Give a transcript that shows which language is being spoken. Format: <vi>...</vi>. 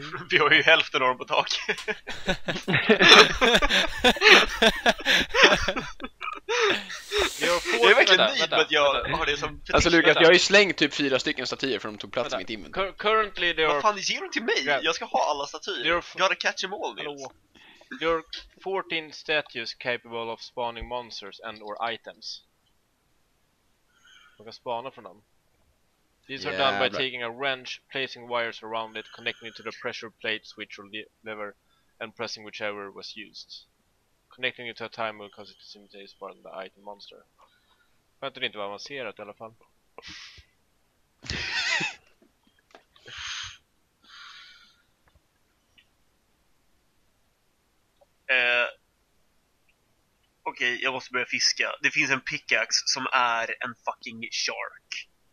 <sv>Vi har ju hälften av dem på tak. Det är verkligen nytt att jag har det som... Alltså Lucas, jag har ju slängt typ 4 stycken statyer för de tog plats i mitt inventory.</sv> <en>Currently there are...</en> <sv>Vad fan, ger de till mig? Jag ska ha alla statyer.</sv> <en>Gotta catch them all, Nils. There are 14 statues capable of spawning monsters and or items.</en> <sv>Man kan spana från dem.</sv> <en>These are done by taking a wrench, placing wires around it, connecting it to the pressure plate, switch, or lever, and pressing whichever was used. Connecting it to a timer will cause it to simultaneously spawn the item monster.</en> <sv>Men det är inte vad man ser att i alla fall. Okej, jag måste börja fiska. Det finns en pickaxe som är en fucking shark.</sv>